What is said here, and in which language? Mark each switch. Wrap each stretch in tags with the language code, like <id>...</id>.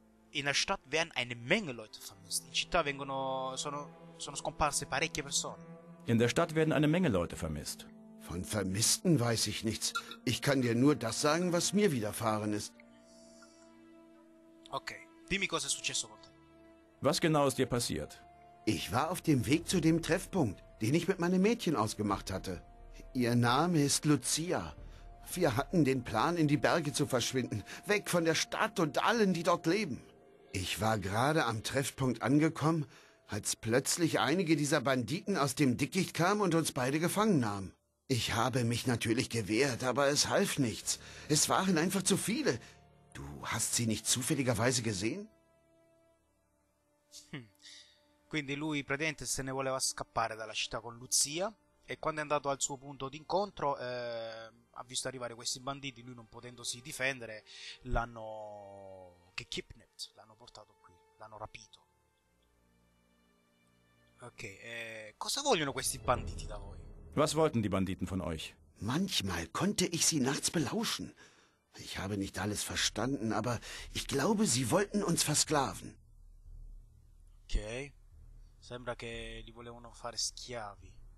<de>In der Stadt werden eine Menge Leute vermisst.</de> <it>In città vengono sono scomparse parecchie persone.</it> <de>In der Stadt werden eine Menge Leute vermisst. Von Vermissten weiß ich nichts. Ich kann dir nur das sagen, was mir widerfahren ist.</de> <it>Okay, dimmi cosa è successo con te.</it> <de>Was genau ist dir passiert? Ich war auf dem Weg zu dem Treffpunkt, den ich mit meinem Mädchen ausgemacht hatte. Ihr Name ist Lucia. Wir hatten den Plan, in die Berge zu verschwinden, weg von der Stadt und allen, die dort leben. Ich war gerade am Treffpunkt angekommen, als plötzlich einige dieser Banditen aus dem Dickicht kamen und uns beide gefangen nahmen. Ich habe mich natürlich gewehrt, aber es half nichts. Es waren einfach zu viele. Du hast sie nicht zufälligerweise gesehen?</de> <it>Quindi lui praticamente se ne voleva scappare dalla città con Lucia e quando è andato al suo punto d'incontro ha visto arrivare questi banditi, lui non potendosi difendere l'hanno kidnapped, l'hanno portato qui, l'hanno rapito. Ok, cosa vogliono questi banditi da voi?</it> <de>Was wollten die Banditen von euch? Manchmal konnte ich sie nachts belauschen. Ich habe nicht alles verstanden, aber ich glaube, sie wollten uns versklaven. Okay.</de> <it>Sembra che li volevano fare schiavi.</it>